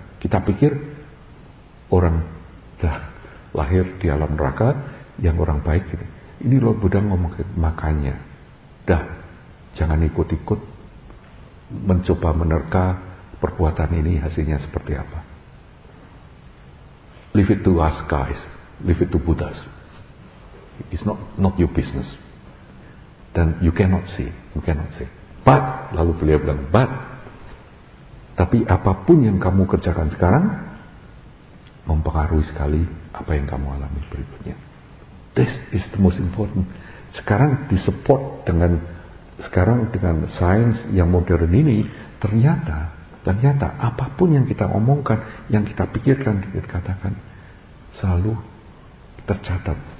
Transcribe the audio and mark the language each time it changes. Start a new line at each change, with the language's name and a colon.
Indonesian: Kita pikir orang lahir di alam neraka, yang orang baik gitu. Ini Lord Buddha ngomong, makanya dah, jangan ikut-ikut mencoba menerka perbuatan ini hasilnya seperti apa.
English: Leave it to us guys, leave it to Buddhas. It's not your business.
Indonesian: Dan
English: you cannot see. But,
Indonesian: lalu beliau bilang,
English: but,
Indonesian: tapi apapun yang kamu kerjakan sekarang mempengaruhi sekali apa yang kamu alami berikutnya.
English: This is the most important.
Indonesian: Sekarang disupport dengan, sekarang dengan sains yang modern ini, ternyata apapun yang kita omongkan, yang kita pikirkan, kita katakan, selalu tercatat.